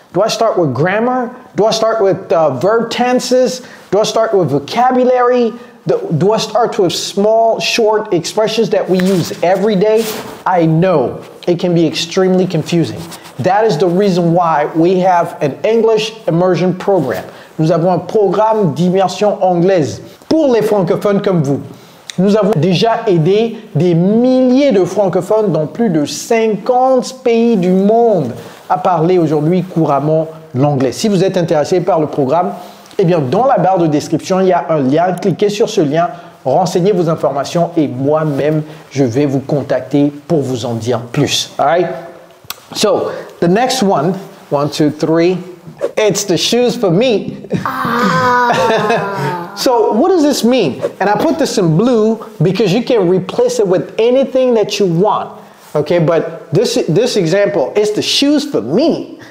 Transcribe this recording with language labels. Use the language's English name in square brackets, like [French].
[English] Do I start with grammar? Do I start with verb tenses? Do I start with vocabulary? Do I start with small, short expressions that we use every day? I know it can be extremely confusing. That is the reason why we have an English immersion program. [French] Nous avons un programme d'immersion anglaise pour les francophones comme vous. Nous avons déjà aidé des milliers de francophones dans plus de 50 pays du monde à parler aujourd'hui couramment l'anglais. Si vous êtes intéressé par le programme, eh bien, dans la barre de description, il y a un lien. Cliquez sur ce lien, renseignez vos informations et moi-même, je vais vous contacter pour vous en dire plus. [English] All right? So, the next one, 1, 2, 3, it's the shoes for me. So, what does this mean? And I put this in blue because you can replace it with anything that you want. Okay, but this example is the shoes for me.